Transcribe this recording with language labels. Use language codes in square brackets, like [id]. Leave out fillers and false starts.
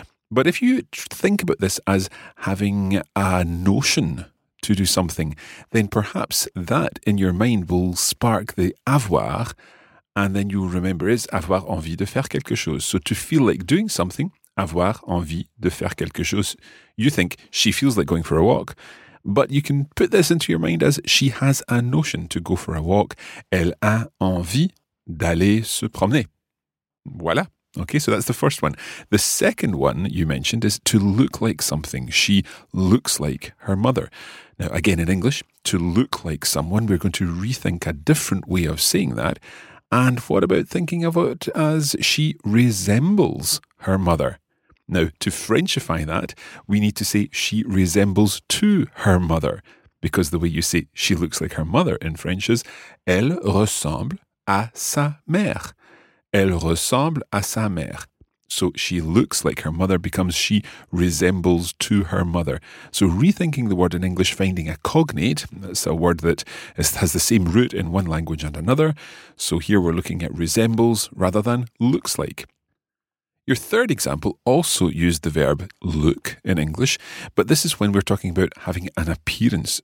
[en] But if you think about this as having a notion to do something, then perhaps that in your mind will spark the avoir, and then you'll remember it's [fr] avoir envie de faire quelque chose. [en] So, to feel like doing something, [fr] avoir envie de faire quelque chose. [en] You think she feels like going for a walk, but you can put this into your mind as she has a notion to go for a walk. [fr] Elle a envie d'aller se promener. Voilà. [en] Okay, so that's the first one. The second one you mentioned is to look like something. She looks like her mother. Now, again, in English, to look like someone, we're going to rethink a different way of saying that. And what about thinking of it as she resembles her mother? Now, to Frenchify that, we need to say she resembles to her mother, because the way you say she looks like her mother in French is [fr] elle ressemble à sa mère. Elle ressemble à sa mère. [en] So she looks like her mother becomes she resembles to her mother. So rethinking the word in English, finding a cognate, that's a word that has the same root in one language and another. So here we're looking at resembles rather than looks like. Your third example also used the verb look in English, but this is when we're talking about having an appearance.